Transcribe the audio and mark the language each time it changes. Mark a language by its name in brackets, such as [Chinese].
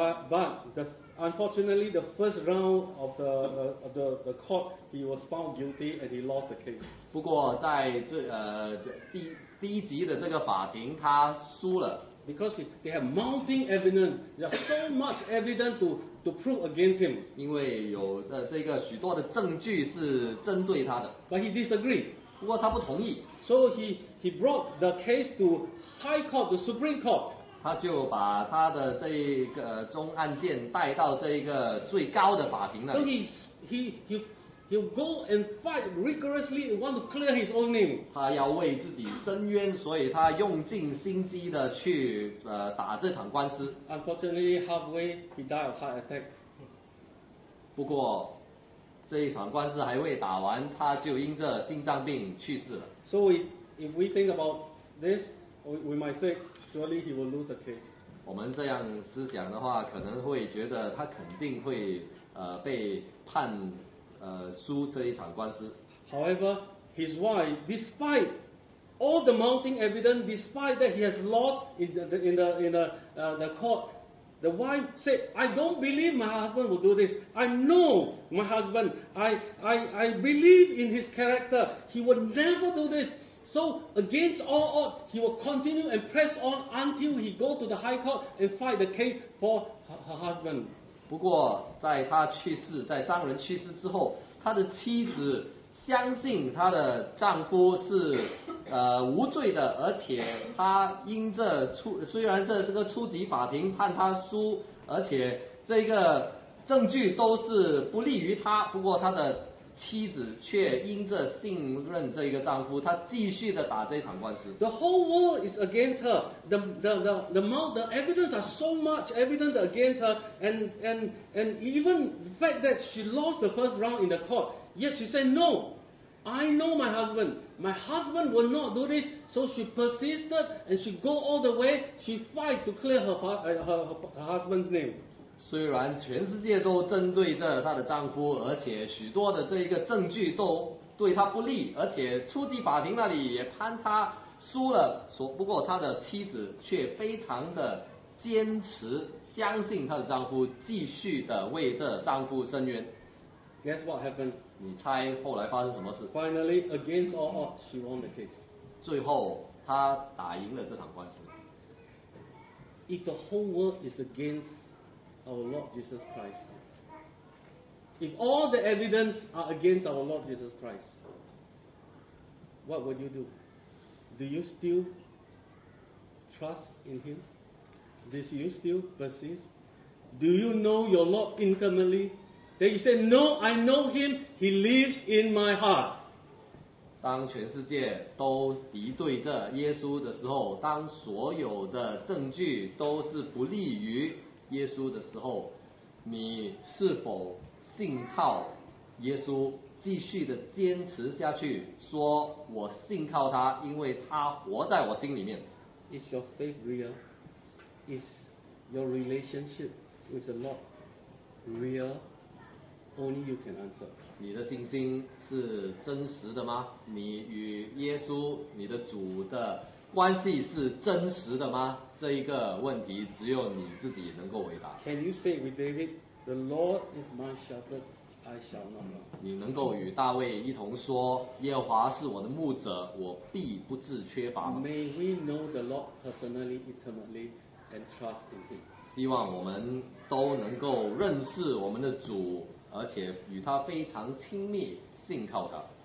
[English] But unfortunately, the first round of the court, he was found guilty and he lost the case. [Chinese] 不过在这第一级的这个法庭，他输了。 [English] Because they have mounting evidence, there are so much evidence to prove against him. [Chinese] 因为有这个许多的证据是针对他的。 [English] But he disagreed. [Chinese] 不过他不同意。 [English] So he brought the case to High Court, the Supreme Court. [Chinese] 他就把他的这个中案件带到这个最高的法庭那里。 [English] So he'll go and fight rigorously and want to clear his own name. [Chinese] 他要为自己伸冤，所以他用尽心机的去打这场官司。 [English] Unfortunately, halfway he died of heart attack. [Chinese] 不过这一场官司还未打完，他就因这心脏病去世了。 [English] So if we think about this, we might say surely he will lose the case. [Chinese] 我们这样思想的话，可能会觉得他肯定会被判输这一场官司。 [English] However, his wife, despite all the mounting evidence, despite that he has lost in the court, the wife said, "I don't believe my husband will do this. I know my husband. I believe in his character. He would never do this." So against all odds, he will continue and press on until he go to the high court and fight the case for her husband. [Chinese] 不过在他去世，在商人去世之后，他的妻子相信他的丈夫是无罪的，而且他因这虽然是这个初级法庭判他输，而且这个证据都是不利于他，不过他的妻子却因这信任这个丈夫，他继续的打这场官司。 [English] The whole world is against her. The evidence are so much evidence against her, and even the fact that she lost the first round in the court, yet she said no. I know my husband. My husband will not do this. So she persisted and she go all the way. She fight to clear her husband's name. [Chinese] 虽然全世界都针对着她的丈夫，而且许多的这一个证据都对她不利，而且初级法庭那里也判她输了，不过她的妻子却非常的坚持相信她的丈夫，继续的为这丈夫伸冤。 [English] Guess what happened? [Chinese] 你猜后来发生什么事？ [English] Finally, against all odds, she won the case. [Chinese] 最后她打赢了这场官司。 [English] If the whole world is againstOur Lord Jesus Christ. If all the evidence are against our Lord Jesus Christ, what would you do? Do you still trust in Him? Do you still persist? Do you know your Lord intimately? Then you say, No, I know Him. He lives in my heart. [Chinese] 当全世界都敌对着耶稣的时候，当所有的证据都是不利于耶稣的时候，你是否信靠耶稣，继续的坚持下去，说我信靠他，因为他活在我心里面。 [English] Is your faith real? Is your relationship with the Lord real? Only you can answer. [Chinese] 你的信心是真实的吗？你与耶稣，你的主的关系是真实的吗？这一个问题只有你自己能够回答。 [English] Can you say with David, "The Lord is my shepherd, I shall not want"? [Chinese] 你能够与大卫一同说，耶和华是我的牧者，我必不致缺乏吗 [English] ？May we know the Lord personally, intimately, and trust in Him. [Chinese] 希望我们都能够认识我们的主，而且与他非常亲密，信靠他。